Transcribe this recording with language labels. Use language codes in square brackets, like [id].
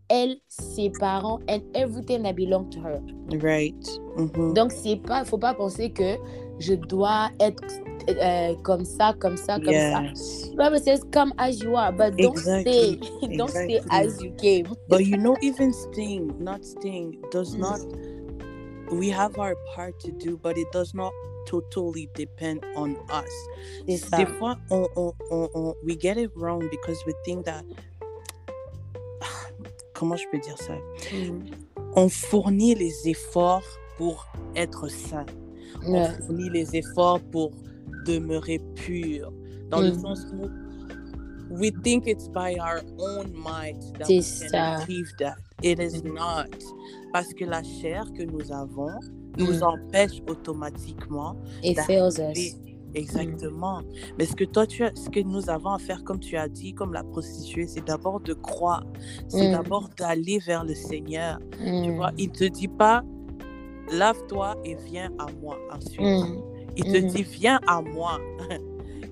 [fr] Elle, ses parents, [en] and everything that belonged to her. Right. [fr] Donc faut pas penser que je dois être comme ça. [en] Bible says, come as you are, but don't stay as you came. But you know, even staying, not staying, does not, we have our part to do, but it does not totally depend on us. [fr] C'est ça. Des fois, [en] we get it wrong because we think that, [fr] comment je peux dire ça? On fournit les efforts pour être saint. On fournit les efforts pour demeurer pur. Dans le sens où [en] we think it's by our own might that we can achieve that. It is not. [fr] Parce que la chair que nous avons nous empêche automatiquement. [en] It fails us. [fr] Exactement. Mais ce que nous avons à faire, comme tu as dit, comme la prostituée, c'est d'abord de croire. C'est d'abord d'aller vers le Seigneur. Tu vois, il ne te dit pas « Lave-toi et viens à moi ensuite. » Il te dit « Viens à moi. »